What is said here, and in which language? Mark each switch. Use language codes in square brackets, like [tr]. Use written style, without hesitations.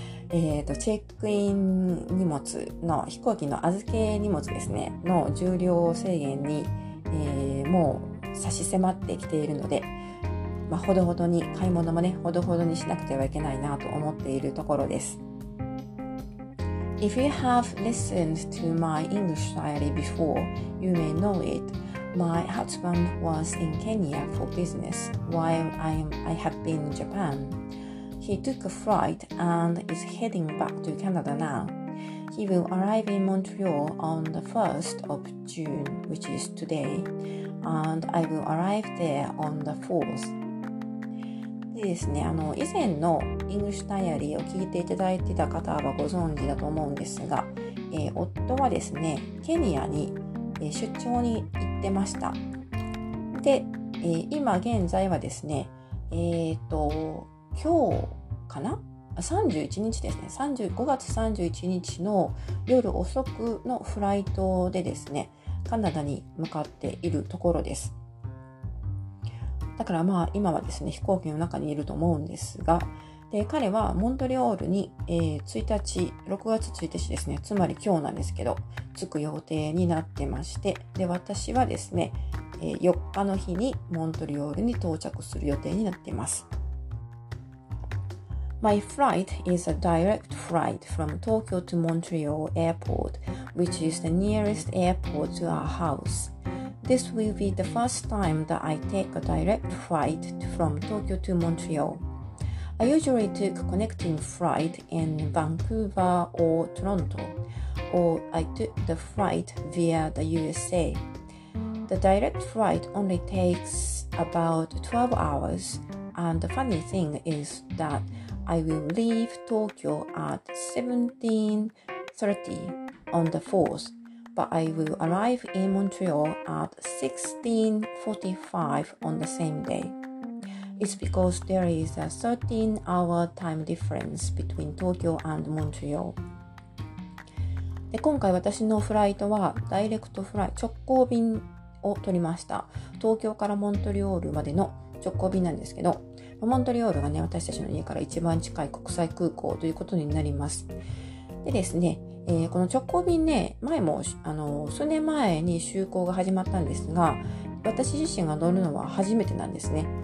[ja] チェックイン荷物の飛行機の預け荷物ですね、の重量制限に、もう差し迫ってきているので、まあ、ほどほどに買い物もね、ほどほどにしなくてはいけないなと思っているところです。 [en] If you have listened to my English diary before, you may know it. My husband was in Kenya for business while I have been in Japan. He took a flight and is heading back to Canada now. He will arrive in Montreal on the 1st of June, which is today, and I will arrive there on the 4th. [ja] でですね、以前のイングリッシュダイアリーを聞いていただいてた方はご存知だと思うんですが、夫はですね、ケニアに出張に行ってました。で、今現在はですね、今日かな ?31 日ですね、5月31日の夜遅くのフライトでですね、カナダに向かっているところです。だからまあ今はですね飛行機の中にいると思うんですが、で彼はモントリオールに、1日6月1日ですね、つまり今日なんですけど着く予定になってまして、で私はですね、4日の日にモントリオールに到着する予定になっています。 [en] My flight is a direct flight from Tokyo to Montreal Airport, which is the nearest airport to our houseThis will be the first time that I take a direct flight from Tokyo to Montreal. I usually took connecting flight in Vancouver or Toronto, or I took the flight via the USA. The direct flight only takes about 12 hours, and the funny thing is that I will leave Tokyo at 17:30 on the 4th. But I will arrive in Montreal at 16:45 on the same day. It's because there is a 13-hour time difference between Tokyo and Montreal. [ja] で、今回私のフライトはダイレクトフライ、直行便を取りました。東京からモントリオールまでの直行便なんですけど、モントリオールがね、私たちの家から一番近い国際空港ということになります。でですね、この直行便ね、前も数年前に就航が始まったんですが、私自身が乗るのは初めてなんですね。